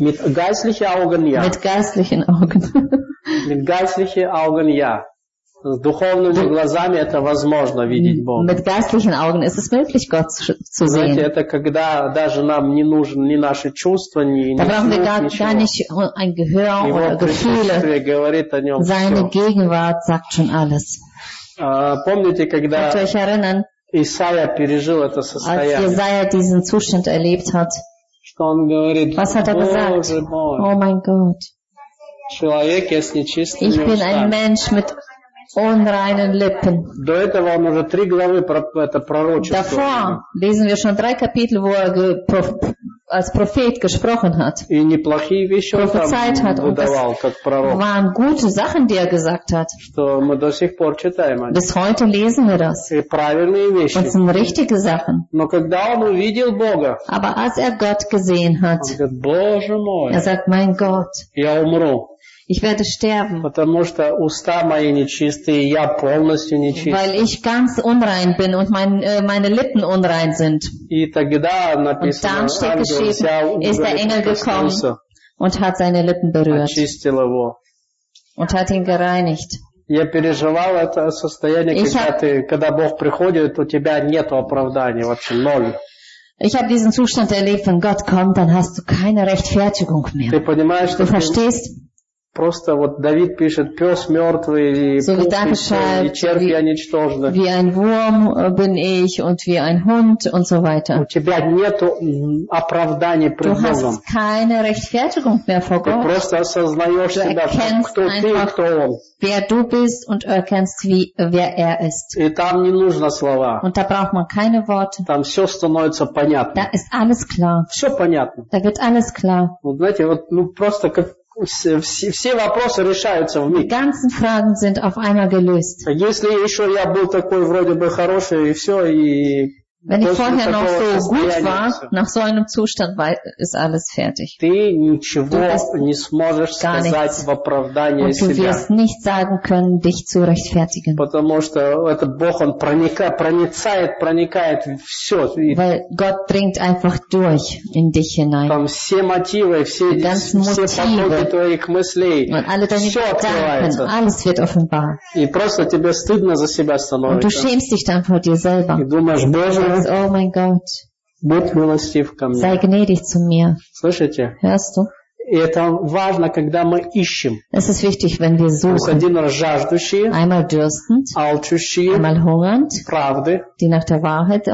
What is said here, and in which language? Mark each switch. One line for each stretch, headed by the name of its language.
German: Mit geistlichen Augen ja. Mit geistlichen Augen. Mit geistlichen Augen ja.
Russian: С духовными глазами это возможно видеть Бога.
German: Mit geistlichen Augen ist es möglich, Gott zu sehen.
Russian: Знаете, это когда даже нам не нужны ни наши чувства, ни ничего.
German: Da brauchen wir gar nicht ein Gehör oder Gefühle.
Russian: Его присутствие говорит о нем все.
German: Seine Gegenwart sagt schon alles.
Russian: Помните, когда Исаия пережил это состояние?
German: Als Jesaja diesen Zustand erlebt hat.
Russian: Что он говорит?
German: Was hat er gesagt? Oh mein Gott.
Russian: Человек я с нечистыми устами.
German: Ich bin ein Mensch mit unreinen Lippen.
Russian: До этого он уже три главы это пророчество.
German: Davor lesen wir schon drei Kapitel, wo er als Prophet gesprochen hat.
Russian: И неплохие вещи он там выдавал, как пророк.
German: Waren gute Sachen, die er gesagt hat.
Russian: Что мы до сих пор читаем.
German: Bis heute lesen wir das.
Russian: И правильные вещи.
German: Und sind richtige Sachen.
Russian: Но когда он увидел Бога,
German: aber als er Gott gesehen hat,
Russian: он говорит, Боже мой,
German: er sagt, mein Gott,
Russian: я умру.
German: Ich werde sterben.
Russian: Потому что уста мои нечистые, я полностью нечист.
German: Weil ich ganz unrein bin und meine Lippen unrein sind.
Russian: И тогда написано,
German: und dann steht ist der Engel gekommen und hat seine Lippen berührt.
Russian: Очистил его.
German: Und hat ihn gereinigt.
Russian: Я переживал это состояние, когда Бог приходит, у тебя нет оправдания, вообще ноль.
German: Ich habe diesen Zustand erlebt, wenn Gott kommt, dann hast du keine Rechtfertigung mehr.
Russian: Ты понимаешь,
German: du verstehst?
Russian: Просто вот Давид пишет, пес мертвый, и
German: so
Russian: пух, пищет, и червь я ничтожна.
German: Wie ein Wurm bin ich und wie ein Hund und so weiter.
Russian: У тебя нет оправдания пред Богом.
German: Du hast keine Rechtfertigung mehr vor Gott.
Russian: Ты просто осознаешь себя, кто ты, кто он.
German: Wer du bist und erkennst, wer er ist.
Russian: И там не нужно слова.
German: Und da braucht man keine Worte.
Russian: Там все становится понятно.
German: Da ist alles klar.
Russian: Все понятно.
German: Da wird alles klar.
Russian: Вот знаете, вот ну просто как все вопросы решаются в миг.
German: Die ganzen Fragen sind auf einmal gelöst.
Russian: Если еще я был такой вроде бы хороший и все и
German: wenn ich vorher noch so gut war, nach so einem Zustand ist alles fertig.
Russian: Ты ничего не сможешь сказать в оправдание себя.
German: Und du wirst nicht sagen können, dich zu rechtfertigen.
Russian: Потому что этот Бог он проникает все.
German: Weil Gott dringt einfach durch in dich hinein.
Russian: Там все мотивы, все потоки твоих мыслей.
German: Und alle deine Gedanken, alles wird offenbar.
Russian: И просто тебе стыдно за себя становится.
German: Und du schämst dich dann vor dir selber.
Russian: И думаешь, Боже,
German: oh mein Gott,
Russian: будь милостив ко мне.
German: Sei gnädig zu mir.
Russian: Слышите?
German: Hörst du?
Russian: И это важно, когда мы ищем.
German: Es ist wichtig, wenn wir suchen.
Russian: Мы один раз жаждущие,
German: einmal dürstend,
Russian: алчущие,
German: einmal hungernd,
Russian: правды,
German: die nach der Wahrheit hungern,